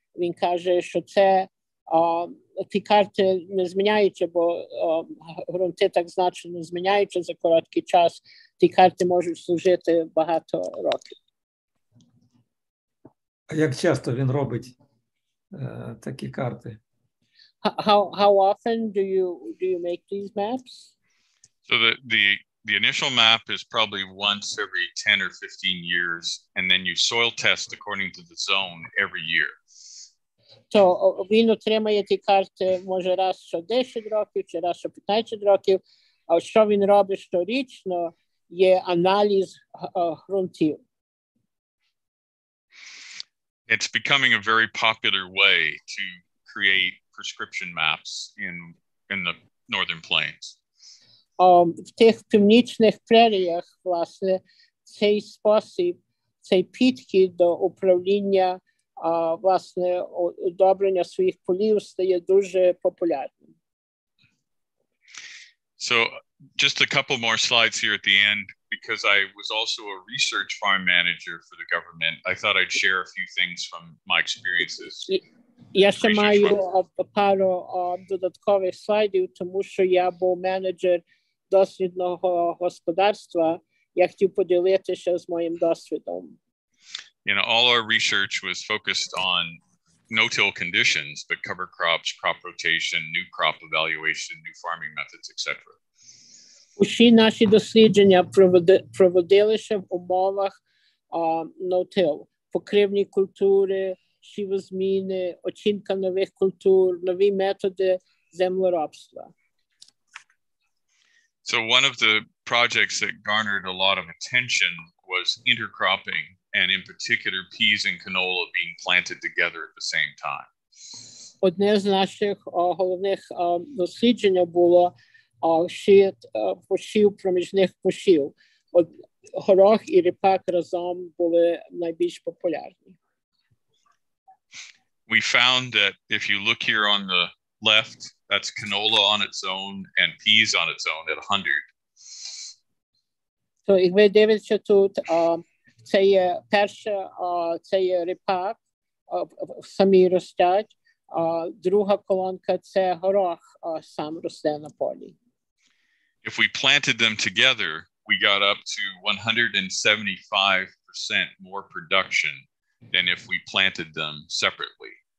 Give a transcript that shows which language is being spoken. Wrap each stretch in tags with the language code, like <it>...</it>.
<uk>Він каже, що це ті карти не зміняються, бо грунти так значно зміняються за короткий час. Ті карти можуть служити багато років. А як часто він робить такі карти?</uk> <en>How often do you make these maps? So the initial map is probably once every 10 or 15 years, and then you soil test according to the zone every year.</en> <uk>То він отримає ті карти, може, раз що 10 років, чи раз що 15 років. А що він робить щорічно, є аналіз ґрунтів.</uk> <en>It's becoming a very popular way to create prescription maps in the northern plains.</en> <uk>В тих північних преріях, власне, цей спосіб, цей підхід до управління власне, удобрення своїх полів стає дуже популярним.</uk> <en>So, just a couple more slides here at the end, because I was also a research farm manager for the government, I thought I'd share a few things from my experiences.</en> <uk>Я ще маю пару додаткових слайдів, тому що я був менеджер дослідного господарства, я хотів поділитися з моїм досвідом.</uk> <en>You know, all our research was focused on no-till conditions, but cover crops, crop rotation, new crop evaluation, new farming methods, etc.</en> <uk>Усі наші дослідження проводилися в умовах no-till. Покривні культури, сівозміни, оцінка нових культур, нові методи землеробства.</uk> <en>So one of the projects that garnered a lot of attention was intercropping, and in particular, peas and canola being planted together at the same time.</en> <uk>Одне з наших головних досліджень було сіт посів проміжних посів. Горох і ріпак разом були найбільш популярні.</uk> <en>We found that if you look here on the left, that's canola on its own and peas on its own at 100.</en> <uk>То ви дивитеся тут, це є перша, це є ріпак, самі ростять, друга колонка – це горох, сам росте на полі.</uk> <en>If we planted them together, we got up to 175% more production than if we planted them separately.</en>